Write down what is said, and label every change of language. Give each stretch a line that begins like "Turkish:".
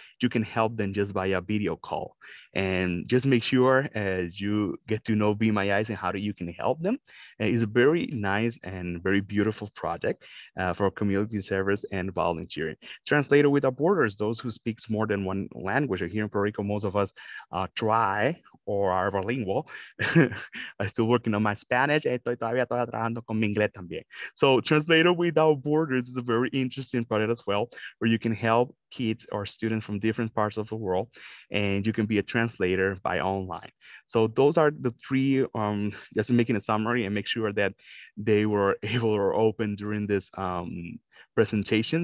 English: You can help them just by a video call. And just make sure as you get to know Be My Eyes and how you can help them. It's a very nice and very beautiful project for community service and volunteering. Translator Without Borders, those who speak more than one language. Here in Puerto Rico, most of us try or are bilingual. I'm still working on my Spanish.
Spanish: Estoy todavía trabajando con mi inglés también.
English: So Translator Without Borders is a very interesting project as well, where you can help kids or students from different parts of the world, and you can be a translator by online. So those are the three, just making a summary, and make sure that they were able or open during this presentation.